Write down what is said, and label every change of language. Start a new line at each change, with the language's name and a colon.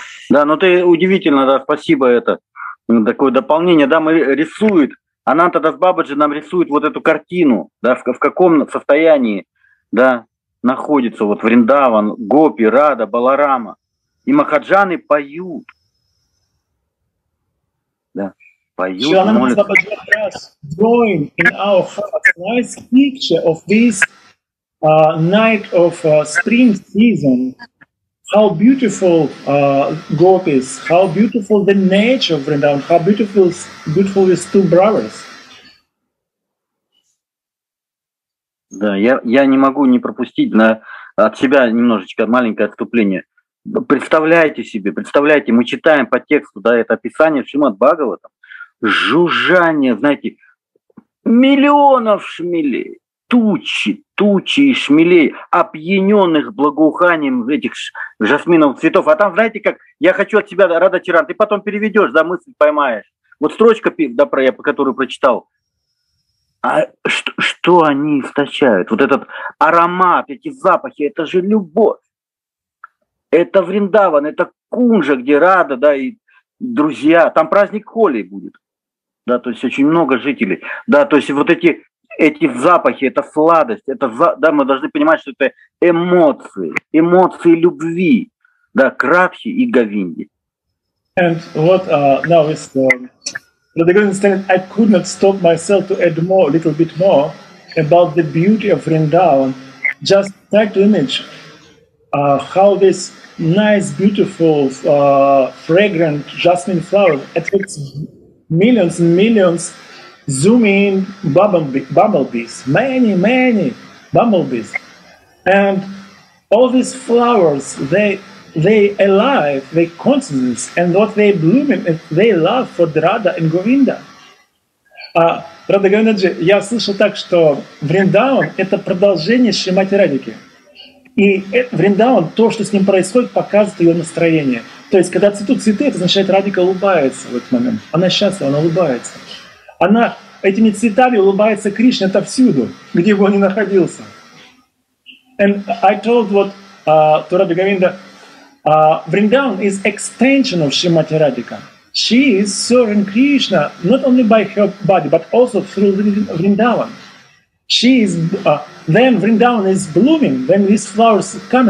Russian: Да, ну ты удивительно, да, спасибо, это такое дополнение. Да, мы рисуют, Ананта Дас Бабаджи нам рисует вот эту картину, да, в каком состоянии, да, находится вот Вриндаван, Гопи, Рада, Баларама. И махаджаны поют. Да.
English: Drawing in our hearts a nice picture of this night of spring season. How beautiful gopis, how beautiful the nature of Vrindavan, how beautiful these two brothers.
Russian: Да, я не могу не пропустить от себя немножечко маленькое отступление. Представляете себе, представляете, мы читаем по тексту, да, это описание Шримад-Бхагаватам, жужжание, знаете, миллионов шмелей, тучи и шмелей, опьяненных благоуханием этих жасминовых цветов. А там, знаете, как, я хочу от тебя, Рада Чиран, ты потом переведешь, да, мысль поймаешь. Вот строчка, да, про я, которую прочитал. А что они источают? Вот этот аромат, эти запахи, это же любовь. Это Вриндаван, это Кунжа, где Рада, да, и друзья. Там праздник Холи будет. Да, то есть очень много жителей. Да, то есть вот эти запахи, это сладость, это, да, мы должны понимать, что это эмоции, эмоции любви, да, к Радхе и Говинде.
English: And what now is the Govinda said, I could not stop myself to add more, a little bit more, about the beauty of Vrindavan. Just try to image how this nice, beautiful, fragrant jasmine flower attracts millions and millions zooming bumblebees, many, many bumblebees. And all these flowers, they alive, they consciousness, and what they blooming, they love for Radha and Govinda.
Russian: Radha Govindaji, я слышал так, что Вриндаван — это продолжение Шримати Радхики. И Вриндаван, то, что с ним происходит, показывает ее настроение. То есть, когда цветут цветы, это означает, Радика улыбается в этот момент. Она счастлива, она улыбается. Она этими цветами улыбается Кришне отовсюду, где бы он ни находился.
English: And I told what to Radha Govinda, Vrindavan is extension of Srimati Radhika. She is serving Krishna not only by her body, but also through Vrindavan. She is then Vrindavan is blooming when these flowers come.